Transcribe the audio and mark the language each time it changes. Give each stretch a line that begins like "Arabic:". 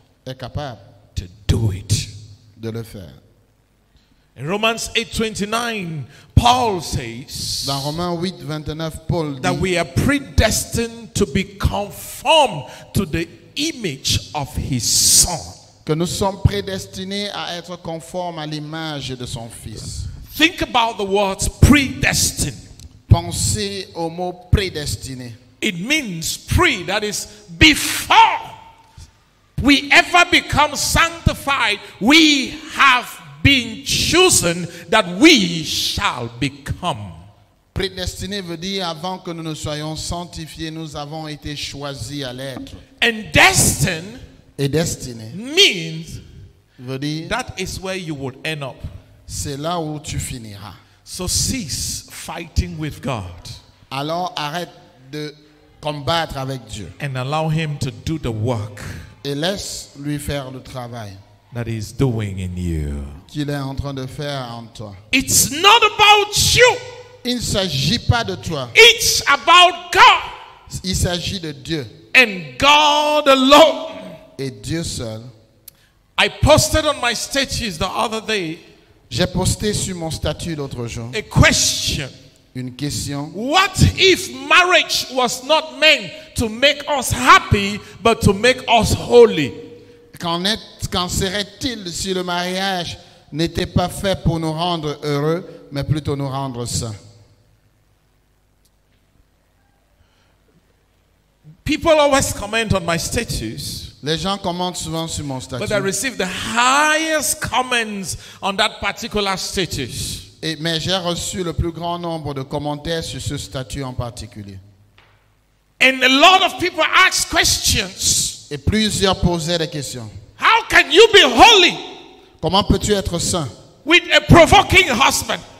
French: est capable,
English: to do it,
French: de le faire.
English: In Romans 8:29, Paul says,
French: dans Romains 8:29, Paul dit,
English: that we are predestined to be conformed to the image of his son.
French: Que nous sommes prédestinés à être conformes à l'image de son fils.
English: Think about the words predestined.
French: Pensez au mot prédestiné.
English: It means pre, that is before we ever become sanctified, we have been chosen that we shall become.
French: Prédestiné veut dire avant que nous ne soyons sanctifiés, nous avons été choisis à l'être.
English: And destined,
French: et destiné,
English: means
French: veut dire
English: that is where you would end up.
French: C'est là où tu finiras.
English: So cease fighting with God.
French: Alors arrête de combattre avec Dieu.
English: And allow him to do the work.
French: Et laisse lui faire le travail.
English: That he's doing in you.
French: Qu'il est en train de faire en toi.
English: It's not about you.
French: Il ne s'agit pas de toi.
English: It's about God.
French: Il s'agit de Dieu.
English: And God alone.
French: Et Dieu seul.
English: I posted on my status the other day.
French: J'ai posté sur mon statut l'autre jour.
English: A question.
French: Une question.
English: What if marriage was not meant to make us happy, but to make us holy?
French: Qu'en serait-il si le mariage n'était pas fait pour nous rendre heureux, mais plutôt nous rendre saints?
English: People always comment on my status.
French: Les gens commentent souvent sur mon statut.
English: But I receive the highest comments on that particular status.
French: Mais j'ai reçu le plus grand nombre de commentaires sur ce statut en particulier.
English: And a lot of people ask questions.
French: Et plusieurs posaient des questions.
English: How can you be holy?
French: Comment peux-tu être saint?
English: With a provoking husband.